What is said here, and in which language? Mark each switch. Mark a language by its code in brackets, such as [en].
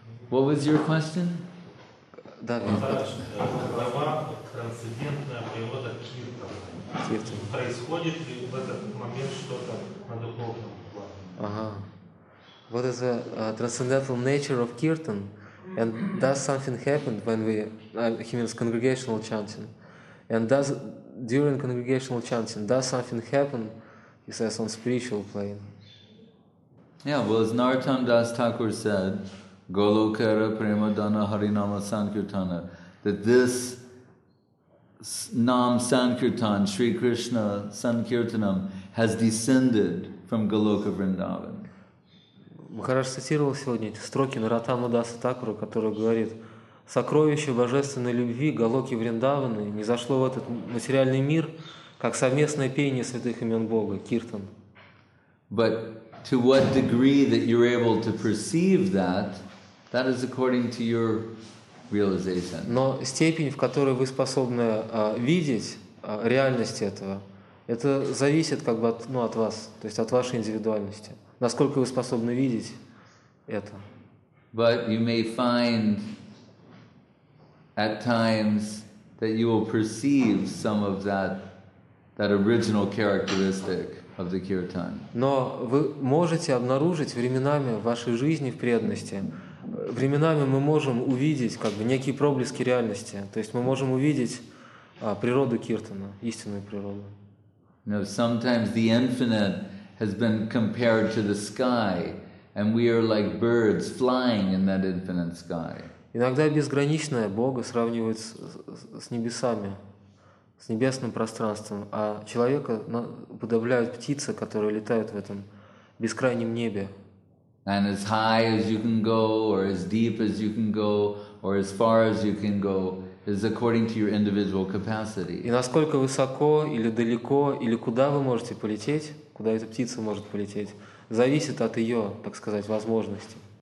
[en] What was your question? [ru] Да, глава «Трансцендентная природа киртана». Происходит ли в этот момент что-то на духовном плане? Ага. [en] What is the transcendental nature of kirtan? And does something happen when we, he means congregational chanting? And does, during congregational chanting, does something happen, he says, on spiritual plane? Yeah, well, as Narottam Das Thakur said, [sa] Golokara Premadana Harinama Sankirtana, [en] that this Nam Sankirtan, Sri Krishna Sankirtanam, has descended from Goloka Vrindavan. [ru] Махарадж цитировал сегодня эти строки Наратама Даса Такура, который говорит: «Сокровище божественной любви Голоки Вриндаваны не зашло в этот материальный мир, как совместное пение святых имен Бога, киртан». [en] But to what degree that you're able to perceive that, that is according to your realization. [ru] Но степень, в которой вы способны видеть реальность этого, это зависит как бы от, ну, от вас, то есть от вашей индивидуальности. Насколько вы способны видеть это? [en] But you may find at times that you will perceive some of that original characteristic of the kirtan. [ru] Но вы можете обнаружить временами в вашей жизни в преданности. Временами мы можем увидеть как бы некие проблески реальности. То есть мы можем увидеть природу киртана, истинную природу. [en] Now sometimes the infinite has been compared to the sky, and we are like birds flying in that infinite sky. [ru] Иногда безграничное Бога сравнивают с небесами, с небесным пространством, а человека подавляют птицы, которые летают в этом бескрайнем небе. [en] And as high as you can go, or as deep as you can go, or as far as you can go, is according to your individual capacity. [ru] И насколько высоко или далеко или куда вы можете полететь? Куда эта птица может полететь, зависит от ее, так сказать, возможности.